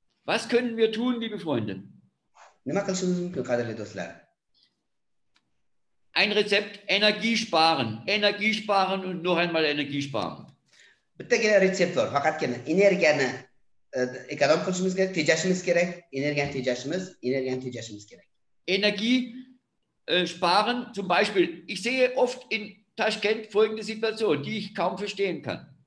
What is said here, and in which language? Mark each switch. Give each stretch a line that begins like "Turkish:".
German: Was können wir tun, liebe Freunde?
Uzbek: Nima qilishimiz mumkin, qadrli do'stlar?
German: Ein Rezept: Energie sparen und noch einmal Energie sparen.
Uzbek: Bittagina retsept bor, faqatgina energiyani ekonom qilishimiz kerak, tejashimiz kerak, energiyani tejashimiz kerak.
German: Energie sparen, zum Beispiel, ich sehe oft in Taschkent folgende Situation, die ich kaum verstehen kann.